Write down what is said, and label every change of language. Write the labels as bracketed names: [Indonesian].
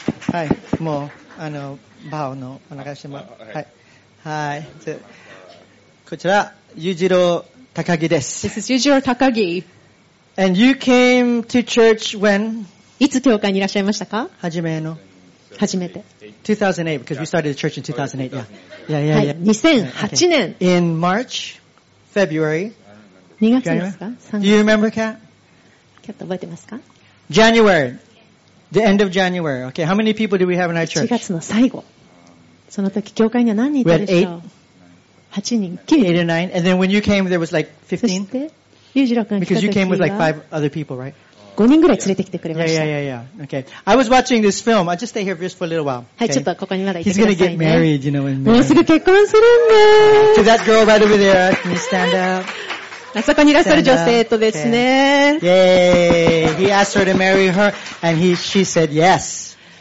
[Japanese] はい、もう、バオのお願いします。はい。はい。こちら、ゆうじろー高木です。 [English] This is ゆうじろー高木。 And you came to church when? [Japanese] いつ教会にいらっしゃいましたか？初めて。 [English] 2008, because we started the church in 2008. [Japanese] Yeah. 2008年。 [English] Okay. In March, February. [Japanese] 2月ですか？ 3月。 [English] Do you remember, Kat? [Japanese] Kat, 覚えてますか？ [English] January. The end of January. Okay, how many people do we have in our church? [Japanese] 1月の最後。その時、教会には何人いたでしょう？ 8人。 [English] 8 or 9. And then when you came, there was like 15? [Japanese] ゆうじろうくん [English] Because you came with like 5 other people, right? [Japanese] 5人ぐらい連れてきてくれました。 [English] Yeah. Okay. I was watching this film. I'll just stay here just for a little while. [Japanese] はい、ちょっとここにまだいてくださいね。 [English] He's gonna get married, you know, in [Japanese] もうすぐ結婚するんだ。 [English] To that girl right over there, can you stand up? [Japanese] あそこにいらっしゃる女性とですね。 [English] Yay! He asked her to marry her, and she said yes.